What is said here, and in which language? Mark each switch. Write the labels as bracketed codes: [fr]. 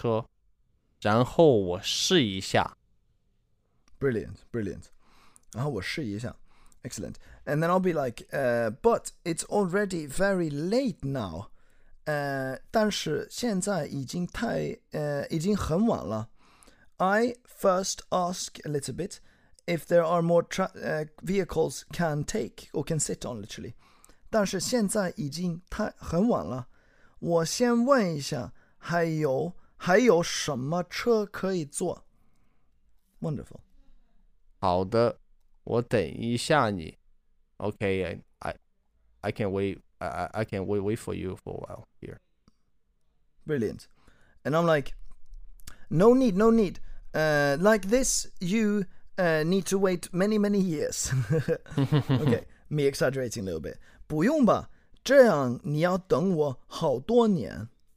[zh] 好的，我等一下下车，然后我试一下. [en] Brilliant. [zh] 然后我试一下. [en] Excellent. And then I'll be like, but it's already very late now. [zh] 但是现在已经很晚了. [en] I first ask a little bit if there are more vehicles can take or can sit on, literally. [zh] 但是现在已经太很晚了.我先问一下还有什么车可以坐. [en] Wonderful. [zh] 好的，我等一下你. [en] Okay, I can wait. I can wait for you for a while here. Brilliant. And I'm like, no need. Like this, you need to wait many, many years. Okay, me exaggerating a little bit. [zh] 不用吧,这样你要等我好多年.